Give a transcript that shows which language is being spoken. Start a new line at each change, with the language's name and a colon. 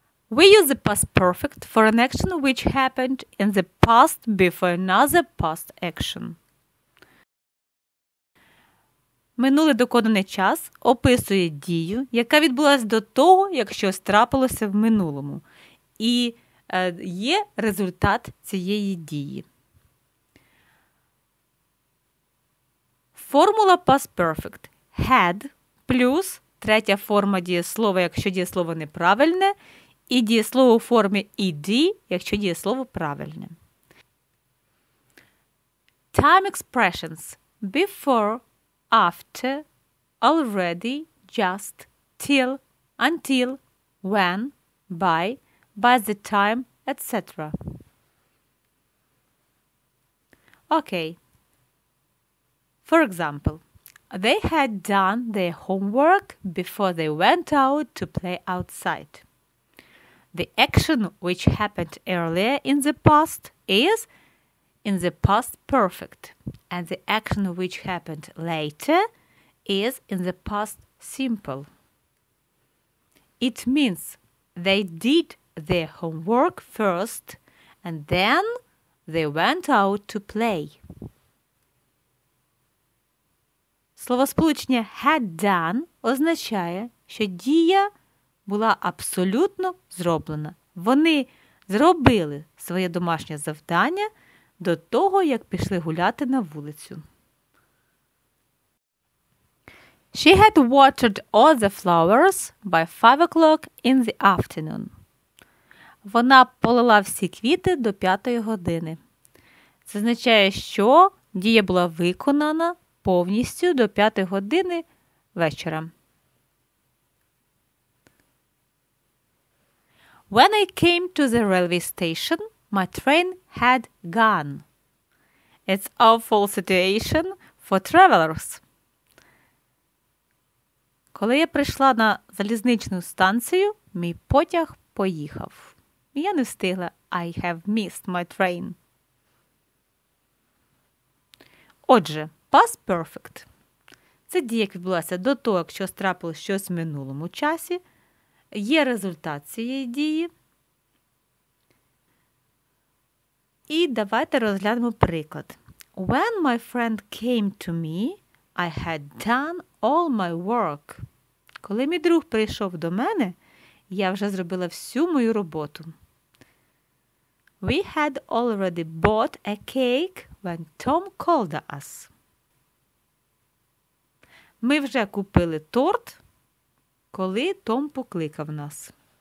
English: We use the past perfect for an action which happened in the past before another past action.
Ukrainian: Минулий доконаний час описує дію, яка відбулася до того, як щось трапилося в минулому. І є результат цієї дії. Формула past perfect – had плюс третя форма дієслова, якщо дієслово неправильне, і дієслово у формі ed, якщо дієслово правильне.
English: Time expressions – before, after, already, just, till, until, when, by the time, etc. Okay. For example, they had done their homework before they went out to play outside. The action which happened earlier in the past is in the past perfect, and the action which happened later is in the past simple. It means they did their homework first, and then they went out to play.
Ukrainian: Словосполучення had done означає, що дія була абсолютно зроблена. Вони зробили своє домашнє завдання до того, як пішли гуляти на вулицю.
English: She had watered all the flowers by 5 o'clock in the afternoon.
Ukrainian: Вона полила всі квіти до 5 години. Це означає, що дія була виконана повністю до 5 години вечора.
English: When I came to the railway station, my train had gone. It's awful situation for travelers.
Ukrainian: Коли я прийшла на залізничну станцію, мій потяг поїхав. Я не встигла.
English: I have missed my train.
Ukrainian: Отже, past perfect. Це дія, яка відбулася до того, якщо трапилося щось в минулому часі. Є результат цієї дії. І давайте розглянемо приклад.
English: When my friend came to me, I had done all my work.
Ukrainian: Коли мій друг прийшов до мене, я вже зробила всю мою роботу.
English: We had already bought a cake when Tom called us.
Ukrainian: Ми вже купили торт, коли Том покликав нас.